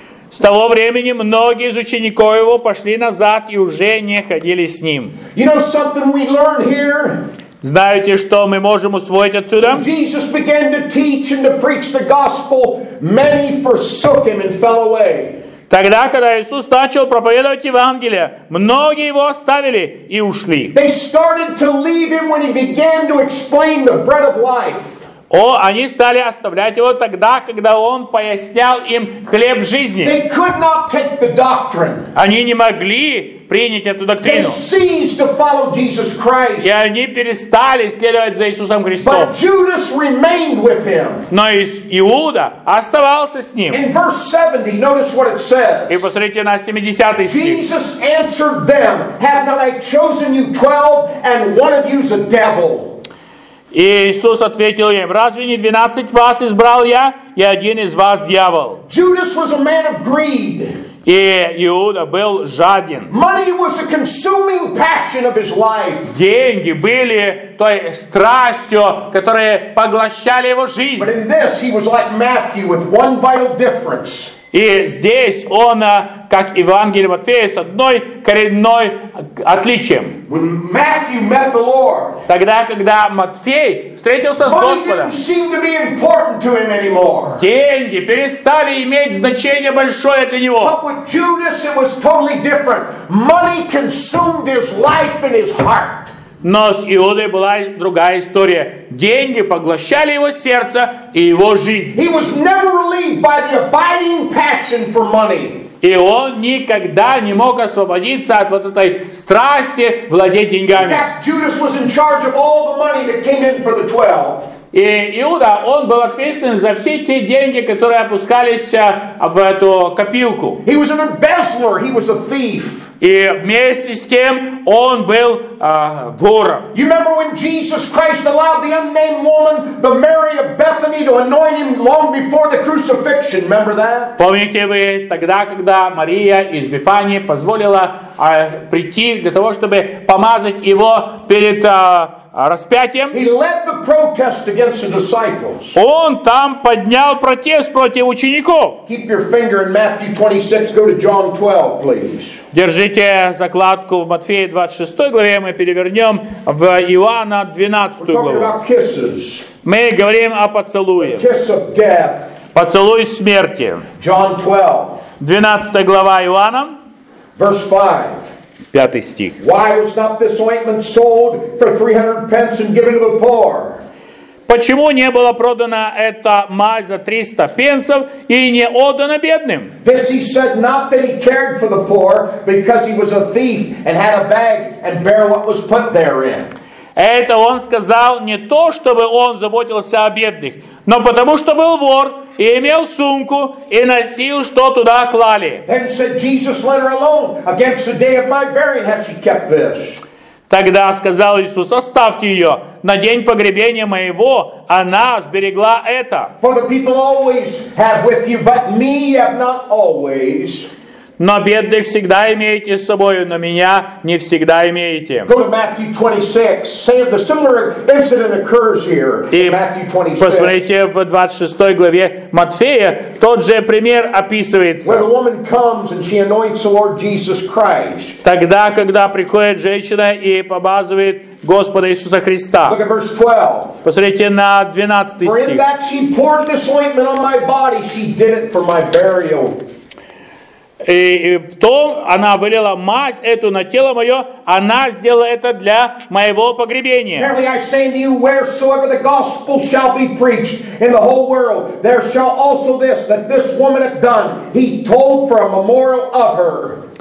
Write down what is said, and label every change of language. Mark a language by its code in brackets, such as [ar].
[ru] С того времени многие из учеников его пошли назад и уже не ходили с ним. [en] You know something we learn here? [ru] Знаете, что мы можем усвоить отсюда? [en] When Jesus began to teach and to preach the gospel, many forsook him and fell away. [ru] Тогда, когда Иисус начал проповедовать Евангелие, многие его оставили и ушли. [en] They started to leave him when he began to explain the bread of life. [ru] О, они стали оставлять его тогда, когда он пояснял им хлеб жизни. [en] They could not take the doctrine. [ru] Они не могли принять эту доктрину. [en] They ceased to follow Jesus Christ. [ru] И они перестали следовать за Иисусом Христом. [en] But Judas remained with him. [ru] Но Иуда оставался с ним. [en] In verse 70, notice what it says. [ru] И посмотрите на 70 стих. [en] Jesus answered them, have not I chosen you 12, and one of you is a devil? [ru] И Иисус ответил им, разве не 12 вас избрал я, и один из вас дьявол? [en] Judas was a man of greed. [ru] И Иуда был жаден. [en] Money was a consuming passion of his life. [ru] Деньги были той страстью, которая поглощала его жизнь. [en] But in this he was like Matthew with one vital difference. [ru] И здесь он как Евангелие Матфея, с одной коренной отличием. [en] When Matthew met the Lord, [ru] тогда, когда Матфей встретился с Господом, [en] money didn't seem to be important to him anymore. [ru] Деньги перестали иметь значение большое для него. [en] But with Judas it was totally different. Money consumed his life and his heart. [ru] Но с Иудой была другая история. Деньги поглощали его сердце и его жизнь. [en] He was never relieved by the abiding passion for money. [ru] И он никогда не мог освободиться от вот этой страсти владеть деньгами. [en] Judas was in charge of all the money that came in for the 12. [ru] И Иуда, он был ответственен за все те деньги, которые опускались в эту копилку. [en] He was an embezzler. He was a thief. [ru] И вместе с тем он был вором. [en] You remember when Jesus Christ allowed the unnamed woman, the Mary of Bethany, to anoint him long before the crucifixion? Remember that? [ru] Помните вы тогда, когда Мария из Вифании позволила прийти для того, чтобы помазать его перед распятием? [en] He led the protest against the disciples. [ru] Он там поднял протест против учеников. [en] Keep your finger in Matthew 26. Go to John 12, please. [ru] Держите закладку в Матфея 26 главе, мы перевернем в Иоанна 12 главу. Мы говорим о поцелуе. Поцелуй смерти. [en] John 12. [ru] 12 глава Иоанна. [en] Verse 5. [ru] 5 стих. [en] Why was not this ointment sold for 300 pence and given to the poor? [ru] Почему не была продана эта мазь за 300 пенсов и не отдана бедным? [en] This he said not that he cared for the poor, because he was a thief and had a bag and bare what was put therein. [ru] Это он сказал не то, чтобы он заботился о бедных, но потому что был вор и имел сумку и носил, что туда клали. [en] Then said Jesus, let her alone. Against the day of my burying has she kept this. [ru] Тогда сказал Иисус, оставьте ее, на день погребения моего она сберегла это. [en] For the people always have with you, but me have not always. [ru] Но бедных всегда имеете с собой, но меня не всегда имеете. [en] Go to Matthew 26. The similar incident occurs here in Matthew 26. [ru] Посмотрите в 26 главе Матфея, тот же пример описывается. [en] Where the woman comes and she anoints the Lord Jesus Christ. [ru] Тогда, когда приходит женщина и помазывает Господа Иисуса Христа. [en] Look at verse 12. [ru] Посмотрите на 12 стих. [en] For in that she poured this ointment on my body, she did it for my burial. [ru] И в том она вылила мазь эту на тело мое, она сделала это для моего погребения. [en] Verily I say to you, wheresoever the gospel shall be preached in the whole world, there shall also this, that this woman hath done, he told for a memorial of her.